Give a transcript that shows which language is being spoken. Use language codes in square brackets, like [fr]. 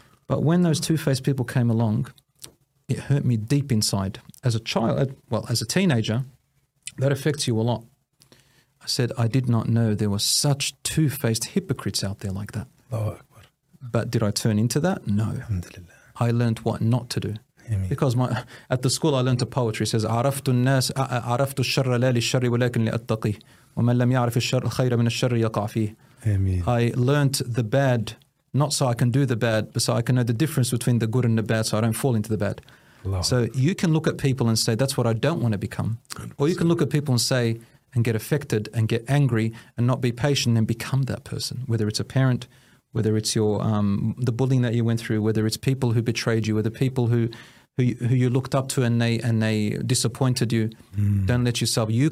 [en] But when those two-faced people came along, it hurt me deep inside. As a child, as a teenager, that affects you a lot. I said, I did not know there were such two-faced hypocrites out there like that. But did I turn into that? No. Alhamdulillah. I learned what not to do. Because at the school I learned a poetry. It says, [ar] عرفت الناس عرفت الشر لا للشر ولكن لأتقي ومن لم يعرف الشر الخير من الشر يقع فيه. [en] I learned the bad, not so I can do the bad, but so I can know the difference between the good and the bad, so I don't fall into the bad. So you can look at people and say, that's what I don't want to become. 100%. Or you can look at people and say, and get affected and get angry and not be patient and become that person, whether it's a parent, whether it's your the bullying that you went through, whether it's people who betrayed you, whether people who you looked up to and they disappointed you, don't let yourself.